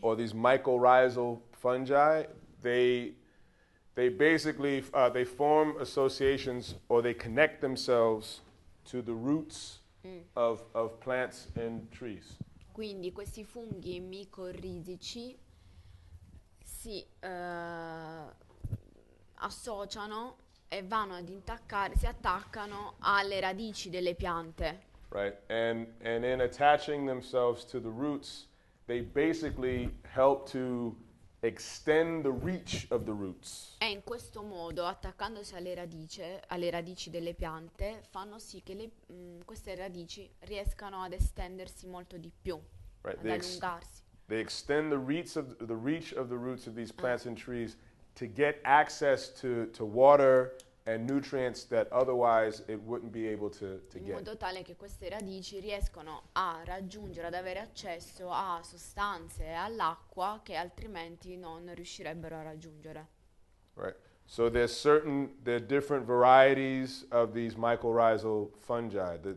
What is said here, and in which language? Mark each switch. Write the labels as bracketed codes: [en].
[en] Or these mycorrhizal fungi, they basically they form associations or they connect themselves to the roots of plants and trees. [it] Quindi questi funghi micorrizici si associano e vanno ad intaccare, si attaccano alle radici delle piante. [en] Right, and in attaching themselves to the roots, they basically help to extend the reach of the roots. [it] E in questo modo, attaccandosi alle radici delle piante, fanno sì che queste radici riescano ad estendersi molto di più, [en] right, [it] ad allungarsi. [en] They extend the reach of the roots of these plants and trees to get access to water and nutrients that otherwise it wouldn't be able to get. [it] In modo tale che queste radici riescono a raggiungere, ad avere accesso a sostanze, all'acqua che altrimenti non riuscirebbero a raggiungere. [en] Right. So there are different varieties of these mycorrhizal fungi.